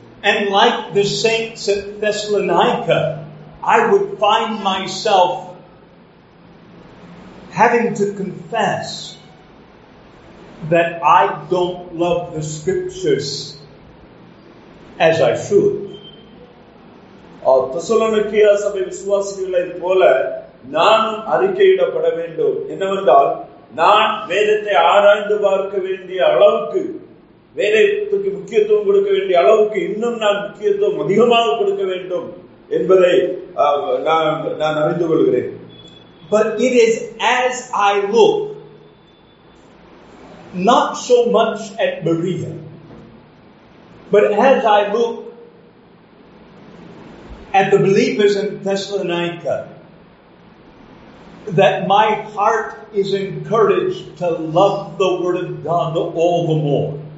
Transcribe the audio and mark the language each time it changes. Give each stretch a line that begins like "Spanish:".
English: And like the saints at Thessalonica, I would find myself having to confess that I don't love the scriptures as I should.
Tamil: தெசலோனிக்கேய சபை விசுவாசிகளை போல நானும் அறிக்கையிடப்பட வேண்டும். என்னவென்றால், நான் வேதத்தை ஆராய்ந்து பார்க்க வேண்டிய அளவுக்கு, வேதத்துக்கு முக்கியத்துவம் கொடுக்க வேண்டிய அளவுக்கு இன்னும் நான் முக்கியத்துவம் அதிகமாக கொடுக்க வேண்டும் என்பதை நான் அறிந்து கொள்கிறேன்.
English: But it is as I look, not so much at Berea, but as I look at the believers in Thessalonica, that my heart is encouraged to love the Word of God all the more.